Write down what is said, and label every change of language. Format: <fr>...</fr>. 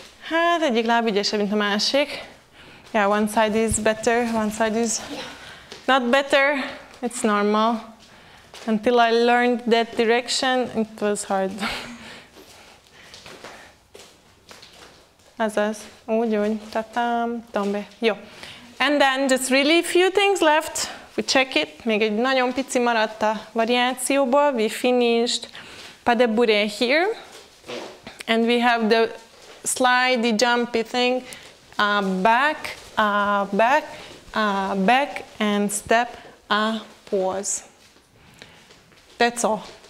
<hu>Hát egyik láb ügyesebb, mint a másik.</hu> <en>Yeah, one side is better, one side is not better. It's normal. Until I learned that direction, it was hard.</en> <hu>Azaz, úgy, úgy, tatam, tombe. Jó.</hu> <en>And then just really few things left. We check it,</en> <hu>még egy nagyon pici maradt a variációból,</hu> <en>we finished pas de bourré here, and we have the slidey jumpy thing, back, back, back, and step, pause. That's all.</en>